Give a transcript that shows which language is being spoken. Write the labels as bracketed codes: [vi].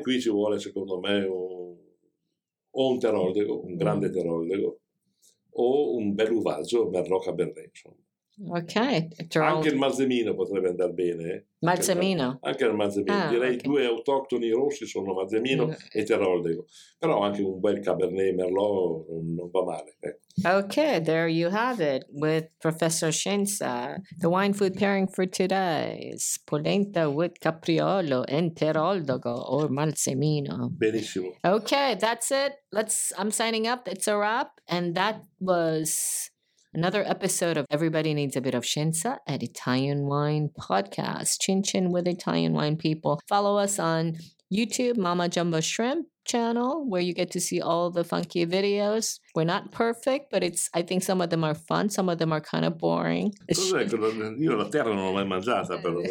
[it] Qui ci vuole, secondo me, un teroldego, un grande teroldego, o un bel uvaggio Merlot Cabernet. Ok, anche il Malzemino potrebbe andare bene. Malzemino? Anche il Malzemino. Direi okay. Due autoctoni rossi sono Malzemino e Teroldego. Però anche un bel Cabernet Merlot non va male. [en] Ok, there you have it with Professor Scienza. The wine food pairing for today is polenta with capriolo and Teroldego or Malzemino. [it] Benissimo. [en] Ok, that's it. I'm signing up. It's a wrap. And that was another episode of Everybody Needs a Bit of Scienza at Italian Wine Podcast. Chin chin with Italian wine people. Follow us on YouTube, Mama Jumbo Shrimp channel, where you get to see all the funky videos. We're not perfect, but I think some of them are fun. Some of them are kind of boring. [it] Io la terra non l'ho mai mangiata, però.